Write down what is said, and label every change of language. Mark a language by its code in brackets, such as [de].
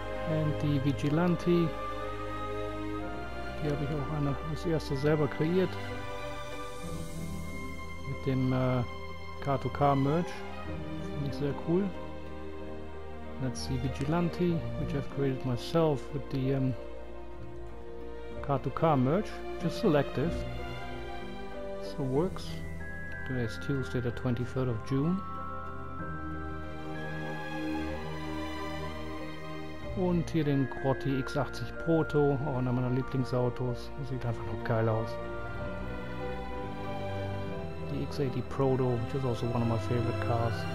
[de] Und die Vigilante, die habe ich auch eine als erste selber kreiert mit dem K2K Merch, finde ich sehr cool. [en] That's the Vigilante, which I've created myself with the K2K merch, which is selective. So works. Today is Tuesday, the 23rd of June. [de] Und hier den Grotti X80 Proto, auch einer meiner Lieblingsautos. Sieht einfach nur geil aus. [en] The X80 Proto, which is also one of my favorite cars.